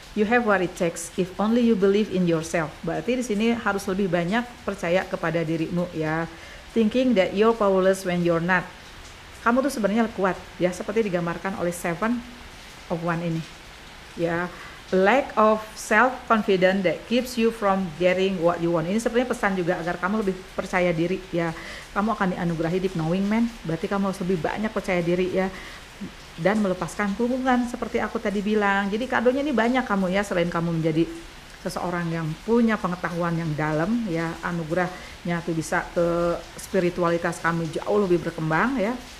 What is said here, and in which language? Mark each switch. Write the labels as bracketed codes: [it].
[en] You have what it takes if only you believe in yourself. [id] Berarti di sini harus lebih banyak percaya kepada dirimu ya. [en] Thinking that you're powerless when you're not. [id] Kamu tuh sebenarnya kuat ya, seperti digambarkan oleh Seven of One ini. [en] Ya, lack of self confidence that keeps you from getting what you want. [id] Ini sebenarnya pesan juga agar kamu lebih percaya diri ya. Kamu akan dianugerahi [en] deep knowing man. [id] Berarti kamu harus lebih banyak percaya diri ya, dan melepaskan hubungan seperti aku tadi bilang. Jadi kadonya ini banyak kamu ya, selain kamu menjadi seseorang yang punya pengetahuan yang dalam ya, anugerahnya tuh bisa ke spiritualitas kamu jauh lebih berkembang ya,